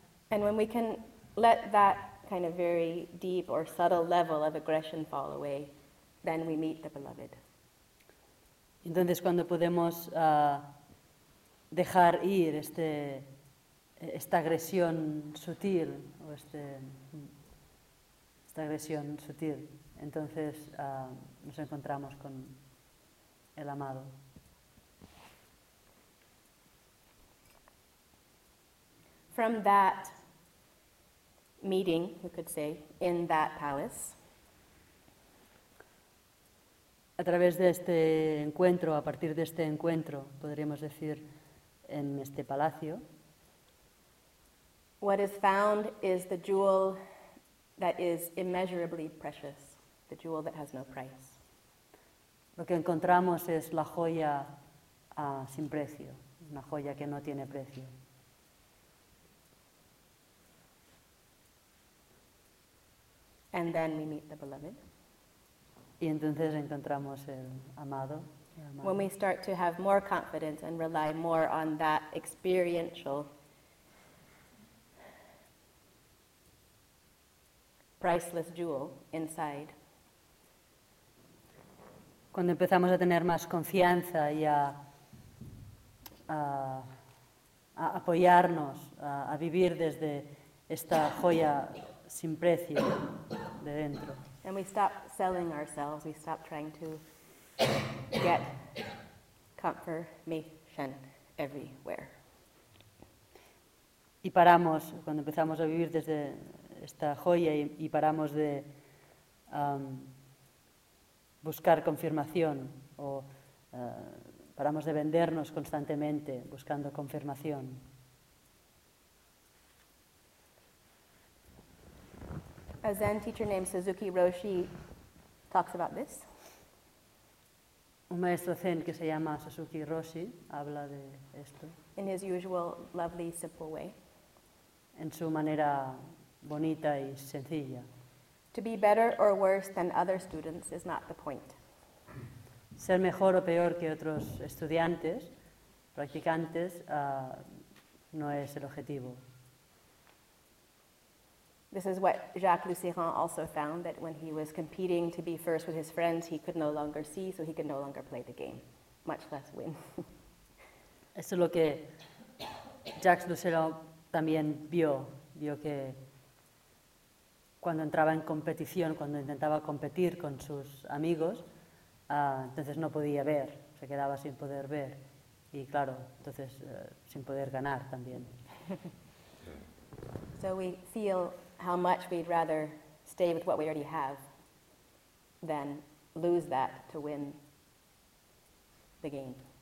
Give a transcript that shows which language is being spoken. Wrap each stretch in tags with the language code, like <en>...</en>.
<en>And when we can let that kind of very deep or subtle level of aggression fall away, then we meet the beloved.</en> <es>Entonces, cuando podemos dejar ir esta agresión sutil, o esta agresión sutil, entonces nos encontramos con el amado.</es> <en>From that meeting, we could say, in that palace,</en> <es>a través de este encuentro, a partir de este encuentro, podríamos decir, en este palacio.</es> <en>What is found is the jewel that is immeasurably precious, the jewel that has no price.</en> <es>Lo que encontramos es la joya sin precio, una joya que no tiene precio.</es> <en>And then we meet the beloved.</en> <es>Y entonces encontramos el amado.</es> <en>When we start to have more confidence and rely more on that experiential priceless jewel inside.</en> <es>Cuando empezamos a tener más confianza y a apoyarnos, a vivir desde esta joya sin precio de dentro.</es> <en>And we stop selling ourselves, we stop trying to get confirmation everywhere.</en> <es>Y paramos, cuando empezamos a vivir desde esta joya y paramos de buscar confirmación o paramos de vendernos constantemente buscando confirmación.</es> <en>A Zen teacher named Suzuki Roshi talks about this.</en> <es>Un maestro Zen que se llama Suzuki Roshi habla de esto.</es> <en>In his usual lovely, simple way.</en> <es>En su manera bonita y sencilla.</es> <en>To be better or worse than other students is not the point.</en> <es>Ser mejor o peor que otros estudiantes, practicantes, no es el objetivo.</es> <en>This is what Jacques Lucirand also found, that when he was competing to be first with his friends, he could no longer see, so he could no longer play the game, much less win.</en> <es>Eso es lo que Jacques Lucirand también vio que cuando entraba en competición, cuando intentaba competir con sus amigos, entonces no podía ver, se quedaba sin poder ver, y claro, entonces sin poder ganar también.</es> <en>So we feel how much we'd rather stay with what we already have than lose that to win the game.</en>